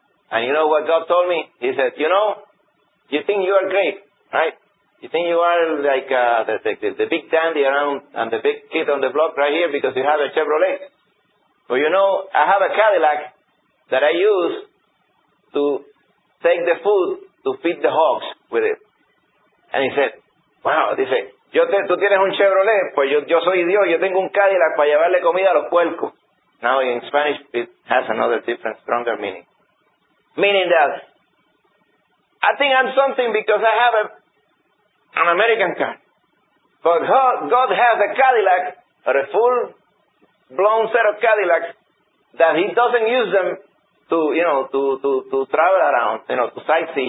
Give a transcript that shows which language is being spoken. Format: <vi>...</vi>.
<en>And you know what God told me? He said, you know, you think you are great, right? You think you are like the big dandy around and the big kid on the block right here because you have a Chevrolet. But you know, I have a Cadillac that I use to take the food to feed the hogs with it. And he said, wow,</en> <es>dice, tú tienes un Chevrolet, pues yo soy Dios, yo tengo un Cadillac para llevarle comida a los puercos.</es> <en>Now in Spanish it has another different, stronger meaning. Meaning that, I think I'm something because I have an American car. But God has a Cadillac, or a full blown set of Cadillacs, that he doesn't use them to travel around, you know, to sightsee.</en>